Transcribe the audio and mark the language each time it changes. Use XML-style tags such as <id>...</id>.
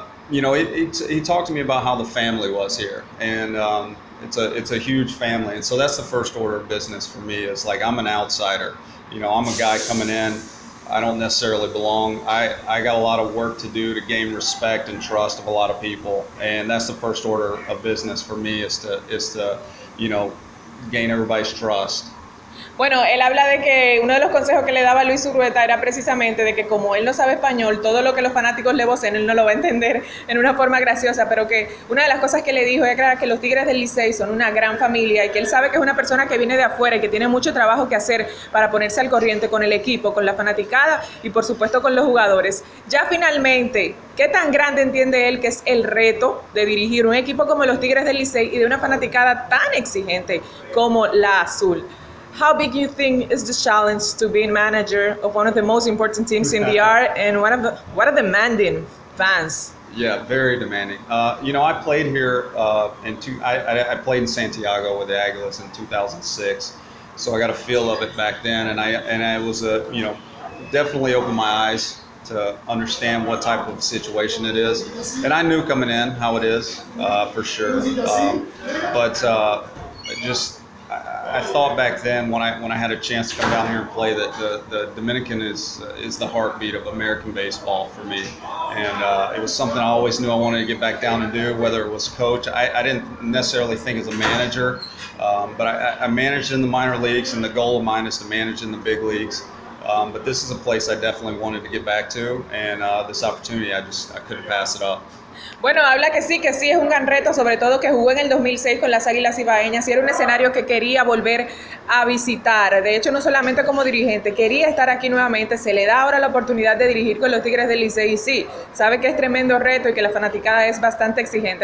<en>You know, he talked to me about how the family was here, and it's a huge family, and so that's the first order of business for me. Is like I'm an outsider. You know, I'm a guy coming in. I don't necessarily belong. I got a lot of work to do to gain respect and trust of a lot of people, and that's the first order of business for me is to you know, gain everybody's trust.</en> <es>Bueno, él habla de que uno de los consejos que le daba Luis Urueta era precisamente de que como él no sabe español, todo lo que los fanáticos le vocen, él no lo va a entender en una forma graciosa, pero que una de las cosas que le dijo es que los Tigres del Licey son una gran familia y que él sabe que es una persona que viene de afuera y que tiene mucho trabajo que hacer para ponerse al corriente con el equipo, con la fanaticada y por supuesto con los jugadores. Ya finalmente, ¿qué tan grande entiende él que es el reto de dirigir un equipo como los Tigres del Licey y de una fanaticada tan exigente como la Azul?</es> <en>How big you think is the challenge to being manager of one of the most important teams in the ARC and what are the demanding fans? Yeah, very demanding. You know, I played here I played in Santiago with the Águilas in 2006, so I got a feel of it back then, and I was you know, definitely opened my eyes to understand what type of situation it is, and I knew coming in how it is for sure, but I thought back then when I had a chance to come down here and play that the Dominican is the heartbeat of American baseball for me, and it was something I always knew I wanted to get back down and do, whether it was coach. I didn't necessarily think as a manager, but I managed in the minor leagues, and the goal of mine is to manage in the big leagues, But this is a place I definitely wanted to get back to, and this opportunity, I couldn't pass it up.</en> <es>Bueno, habla que sí es un gran reto, sobre todo que jugó en el 2006 con las Águilas Cibaeñas y era un escenario que quería volver a visitar. De hecho, no solamente como dirigente, quería estar aquí nuevamente. Se le da ahora la oportunidad de dirigir con los Tigres del Licey y sí, sabe que es tremendo reto y que la fanaticada es bastante exigente.</es>